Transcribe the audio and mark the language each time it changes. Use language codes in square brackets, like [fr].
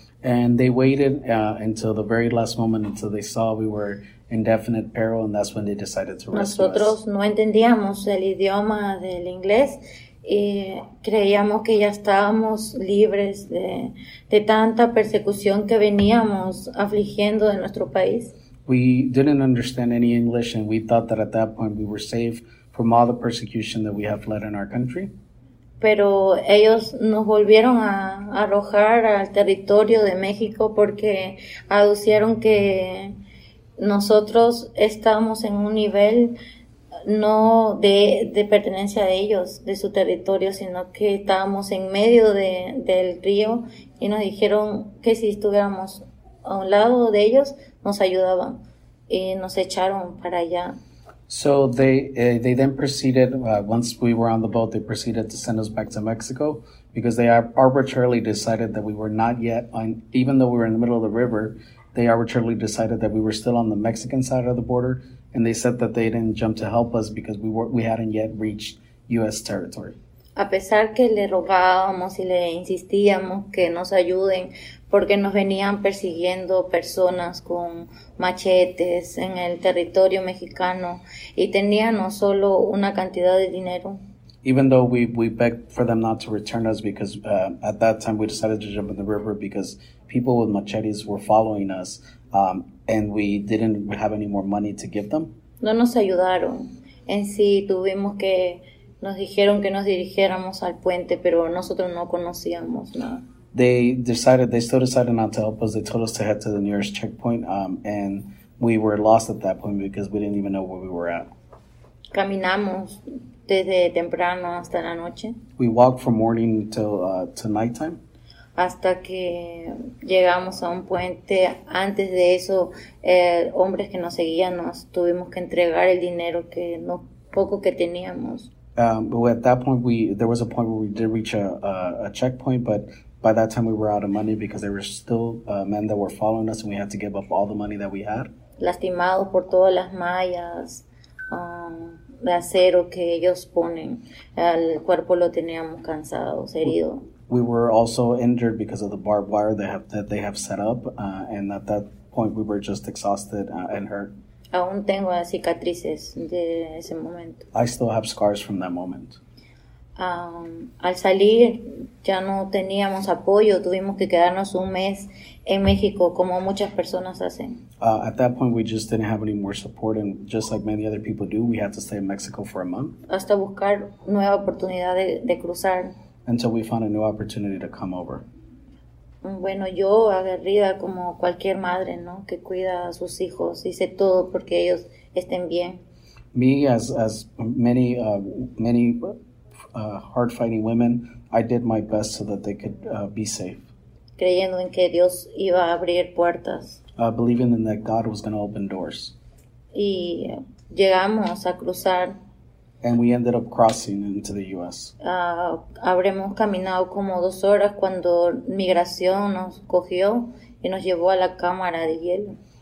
[en] And they waited until the very last moment until they saw we were in definite peril, and that's when they decided to rescue us. [es] Nosotros no entendíamos el idioma del inglés y creíamos que ya estábamos libres de tanta persecución que veníamos afligiendo de nuestro país. [en] We didn't understand any English, and we thought that at that point we were safe from all the persecution that we have led in our country. [es] Pero ellos nos volvieron a arrojar al territorio de México porque aducieron que nosotros estábamos en un nivel no de pertenencia de ellos, de su territorio, sino que estábamos en medio del río y nos dijeron que si estuviéramos a un lado de ellos, nos ayudaban y nos echaron para allá. [en] So they then proceeded, once we were on the boat, they proceeded to send us back to Mexico because they arbitrarily decided that we were not yet on, even though we were in the middle of the river, they arbitrarily decided that we were still on the Mexican side of the border, and they said that they didn't jump to help us because we hadn't yet reached U.S. territory. [es] A pesar que le rogábamos y le insistíamos que nos ayuden porque nos venían persiguiendo personas con machetes en el territorio mexicano y tenían no solo una cantidad de dinero. [en] Even though we begged for them not to return us because at that time we decided to jump in the river because people with machetes were following us and we didn't have any more money to give them. [es] No nos ayudaron. En sí tuvimos que... Nos dijeron que nos dirigiéramos al puente, pero nosotros no conocíamos nada. [en] They still decided not to help us. They told us to head to the nearest checkpoint, and we were lost at that point because we didn't even know where we were at. [es] Caminamos desde temprano hasta la noche. [en] We walked from morning till nighttime. [es] Hasta que llegamos a un puente. Antes de eso, hombres que nos seguían, nos tuvimos que entregar el dinero que no poco que teníamos. [en] There was a point where we did reach a checkpoint, but by that time we were out of money because there were still men that were following us and we had to give up all the money that we had. [es] Lastimados por todas las mallas de acero que ellos ponen, el cuerpo lo teníamos cansado, herido. [en] We were also injured because of the barbed wire that they have set up, and at that point we were just exhausted and hurt. [es] Aún tengo las cicatrices de ese momento. [en] I still have scars from that moment. [es] Al salir, ya no teníamos apoyo. Tuvimos que quedarnos un mes en México, como muchas personas hacen. [en] At that point, we just didn't have any more support. And just like many other people do, we had to stay in Mexico for a month. [es] Hasta buscar nueva oportunidad de cruzar. [en] Until we found a new opportunity to come over. [es] Bueno, yo aguerrida como cualquier madre, ¿no? Que cuida a sus hijos, hice todo porque ellos estén bien. [en] Me, as many hard fighting women, I did my best so that they could be safe. [es] Creyendo en que Dios iba a abrir puertas. [en] Believing in that God was going to open doors. [es] Y llegamos a cruzar. [en] And we ended up crossing into the U.S. [es] Habremos caminado como 2 horas cuando migración nos cogió y nos llevó a la cámara de hielo.